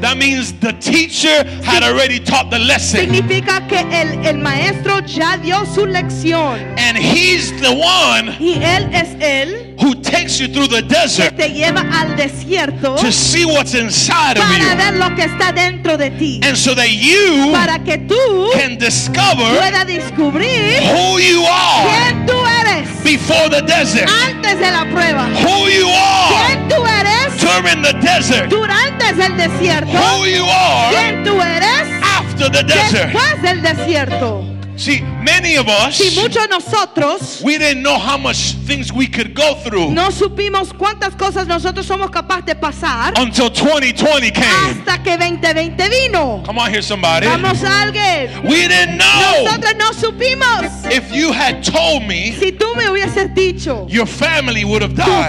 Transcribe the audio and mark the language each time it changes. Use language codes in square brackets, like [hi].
[en] that means the teacher had already taught the lesson. [es] Significa que el maestro ya dio su lección. [en] And he's the one [es] y él es él [en] who takes you through the desert [es] que te lleva al desierto [en] to see what's inside [es] para [en] of you. [es] Ver lo que está dentro de ti. [en] And so that you [es] para que tú [en] can discover [es] pueda descubrir [en] who you are. [es] Quién tú eres. [en] Before the desert. [es] Antes de la prueba. [en] Who you are. [es] ¿Quién tú eres? [en] During the desert. [es] Durante el desierto. [en] Who you are. [es] ¿Quién tú eres? [en] After the desert. [es] Después del desierto. [en] See, many of us, [es] si muchos nosotros, [en] we didn't know how much things we could go through. [es] No supimos cuántas cosas nosotros somos capaces de pasar. [en] Until 2020 came. [es] Hasta que 2020 vino. [en] Come on, here, somebody. [es] Vamos a alguien. [en] We didn't know. [es] Nosotros no supimos. [en] If you had told me, [es] si tú me hubieses dicho, [en] your family would have died.